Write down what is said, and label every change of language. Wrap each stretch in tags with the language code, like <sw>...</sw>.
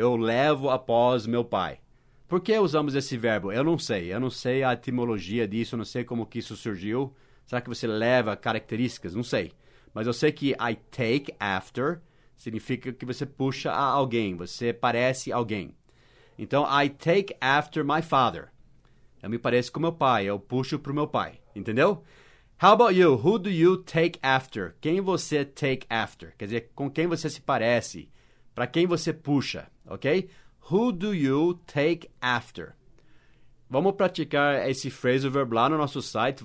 <pt>Eu levo após meu pai. Por que usamos esse verbo? Eu não sei. Eu não sei a etimologia disso. Eu não sei como que isso surgiu. Será que você leva características? Não sei. Mas eu sei que I take after significa que você puxa a alguém, você parece alguém.</pt> <en>Então, I take after my father.</en> <pt>Eu me pareço com meu pai, eu puxo pro meu pai. Entendeu?</pt> <en>How about you? Who do you take after?</en> <pt>Quem você take after? Quer dizer, com quem você se parece? Para quem você puxa, ok?</pt> <en>Who do you take after?</en> <pt>Vamos praticar esse phrasal verb lá no nosso site.</pt>